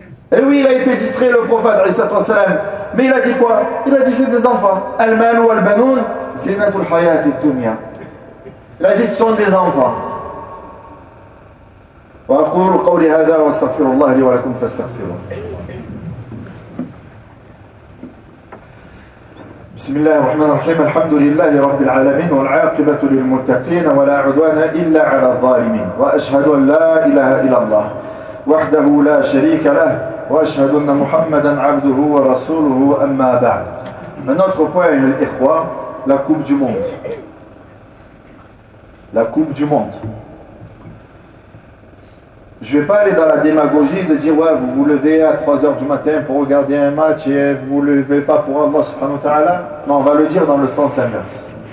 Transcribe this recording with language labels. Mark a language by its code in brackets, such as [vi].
[fr] Et oui, il a été distrait le prophète sallallahu. Mais il a dit quoi? Il a dit c'est des enfants. [ar] Al-mal ou al-banoun, zinatul hayat al-dunya. [fr] Il a dit ce sont des enfants. [ar] وأقول قولي هذا واستغفر الله لي ولكم فاستغفروه. بسم الله الرحمن الرحيم. الحمد لله رب العالمين والعاقبة للمتقين ولا عدوان إلا على الظالمين. وأشهد أن لا إله إلا الله وحده لا شريك له وأشهد أن محمدا عبده ورسوله. أما بعد. [fr] من notre point الإخوة la coupe du monde. La coupe du monde. Je ne vais pas aller dans la démagogie de dire « Ouais, vous vous levez à 3h du matin pour regarder un match et vous ne vous levez pas pour Allah subhanahu wa ta'ala. » Non, on va le dire dans le sens inverse.